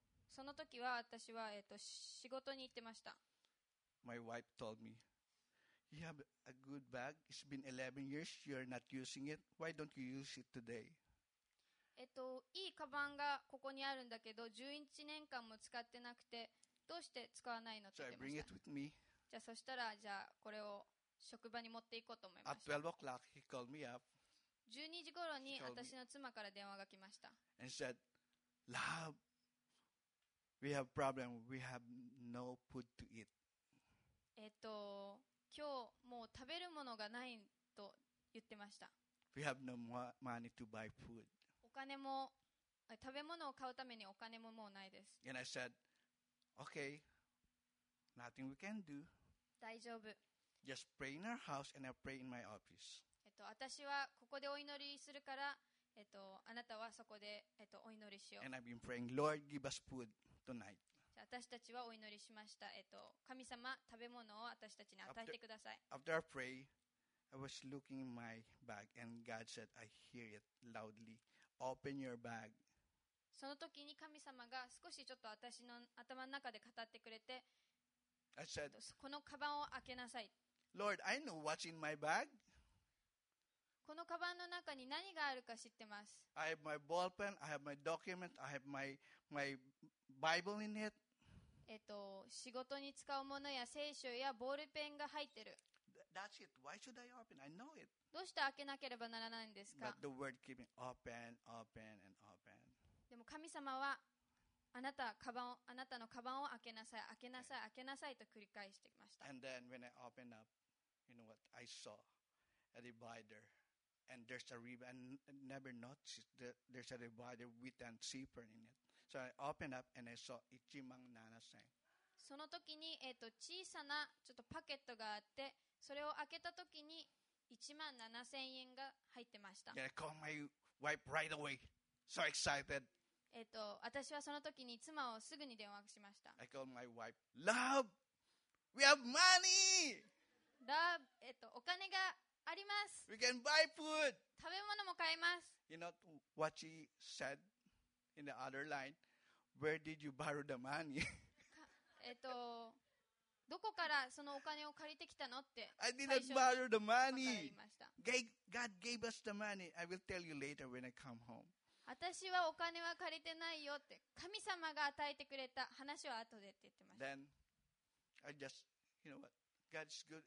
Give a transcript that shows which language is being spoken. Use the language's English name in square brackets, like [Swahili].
[Japanese] その時は私は仕事に行ってました。 [English] My wife told me, "You have a good bag. It's been 11 years. You are not using it. Why don't you use it today?" [Japanese] いいカバンがここにあるんだけど、11年間も使ってなくて、どうして使わないのって言ってました。 [English] So I bring it with me. [Japanese] じゃあそしたらじゃあこれを職場に持っていこうと思いました。 [English] At 12 o'clock, he called me up. [Japanese] 12時頃に私の妻から電話が来ました。 [English] And said, "Love." We have problem. We have no food to eat. [Japanese] 今日もう食べるものがないと言ってました。 [English] We have no money to buy food. [Japanese] お金も食べ物を買うためにお金ももうないです。 [English] And I said, "Okay, nothing we can do." [Japanese] 大丈夫。 [English] Just pray in our house and I pray in my office. [Japanese] 私はここでお祈りするから、あなたはそこで、お祈りしよう。 [English] And I've been praying, "Lord, give us food." Tonight. [Japanese] 私たちはお祈りしました。神様、食べ物を私たちに与えてください。 [English] After our prayer, I was looking in my bag and God said, "I hear it loudly. Open your bag." [Japanese] その時に神様が少しちょっと私の頭の中で語ってくれて、 [English] I said, [Japanese] このカバンを開けなさい。 [English] Lord, I know what's in my bag. [Japanese] このカバンの中に何があるか知ってます。 [English] I have my ball pen, I have my document, I have my Bible in it. [Japanese] 仕事に使うものや聖書やボールペンが入ってる。 [English] That's it. Why should I open? I know it. [Japanese] どうして開けなければならないんですか? [English] But the word keeps open, open, and open. [Japanese] でも神様はあなたのカバンを開けなさい、開けなさい、開けなさいと繰り返してきました。 [English] And then when I opened up, you know what? I saw a divider, and there's a ribbon. I never noticed that there's a divider with a zipper in it. So I opened up and I saw 17,000. [Japanese] その時に小さなちょっとパケットがあって、それを開けた時に17,000円が入ってました。 [English] Yeah, I called my wife right away. So excited. [Japanese] 私はその時に妻をすぐに電話しました。 [English] I called my wife, "Love, we have money." [Japanese] Love, お金があります。 [English] We can buy food. [Japanese] 食べ物も買えます。 [English] You know what she said? In the other line, where did you borrow the money? [Japanese] どこからそのお金を借りてきたのって最初に。 [English] I didn't borrow the money. God gave us the money. I will tell you later when I come home. [Japanese] 私はお金は借りてないよって神様が与えてくれた話は後でって言ってました。 [English] Then I just, you know what, God is good.